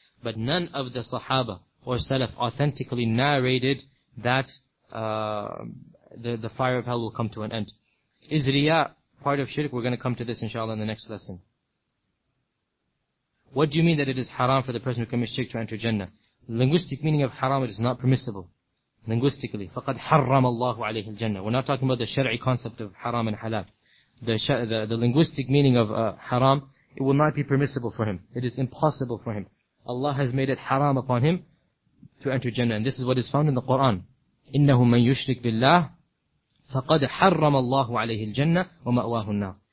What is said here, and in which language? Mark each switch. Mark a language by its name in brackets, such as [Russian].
[English] But none of the Sahaba or Salaf authentically narrated that the fire of hell will come to an end. Is riya part of shirk? We're going to come to this inshallah in the next lesson. What do you mean that it is haram for the person who commits shirk to enter Jannah? Linguistic meaning of haram, it is not permissible. Linguistically, [Arabic] فَقَدْ حَرَّمَ اللَّهُ عَلَيْهِ الْجَنَّةِ. [English] We're not talking about the shari'i concept of haram and halal. The linguistic meaning of haram, it will not be permissible for him. It is impossible for him. Allah has made it haram upon him to enter Jannah. And this is what is found in the Quran. [Arabic] إِنَّهُ مَنْ يُشْرِكْ بِاللَّهِ فَقَدْ حَرَّمَ اللَّهُ عَلَيْهِ الْجَنَّةِ وَمَأْوَاهُ النَّارِ.